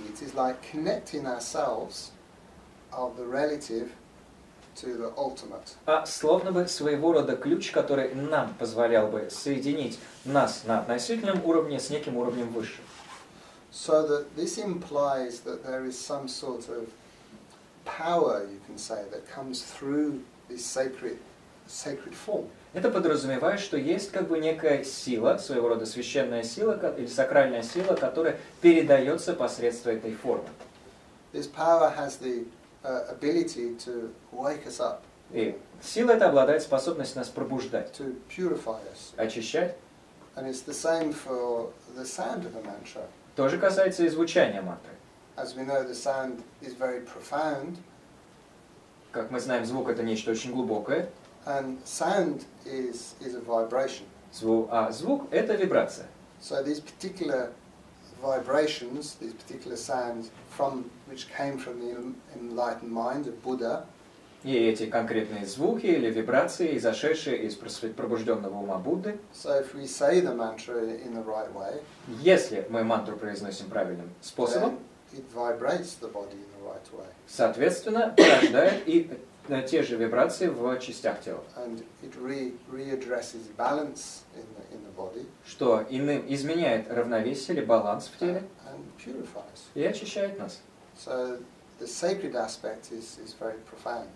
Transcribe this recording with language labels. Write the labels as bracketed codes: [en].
[en] It is like connecting ourselves of the relative to the ultimate. [ru] А словно бы своего рода ключ, который нам позволял бы соединить нас на относительном уровне с неким уровнем выше. [en] So that this implies that there is some sort of power, you can say, that comes through this sacred form. [ru] Это подразумевает, что есть как бы некая сила, своего рода священная сила или сакральная сила, которая передается посредством этой формы. [en] This power has the ability to wake us up. [ru] И сила эта обладает способностью нас пробуждать. [en] To purify us. [ru] Очищать. [en] And it's the same for the sound of the mantra. [ru] Тоже касается и звучания мантры. [en] As we know, the sound is very profound. [ru] Как мы знаем, звук это нечто очень глубокое. [en] And sound is a vibration. [ru] Звук это вибрация. [en] So these particular vibrations, these particular sounds from which came from the enlightened mind of Buddha. [ru] И эти конкретные звуки или вибрации, изошедшие из пробужденного ума Будды. [en] So if we say the mantra in the right way. [ru] Если мы мантру произносим правильным способом. [en] Then it vibrates the body in the right way. [ru] Соответственно, порождает и на те же вибрации в частях тела. [en] And it readdresses balance in the body. [ru] Что иным изменяет равновесие или баланс в теле. [en] And purifies. [ru] И очищает нас. [en] So the sacred aspect is very profound.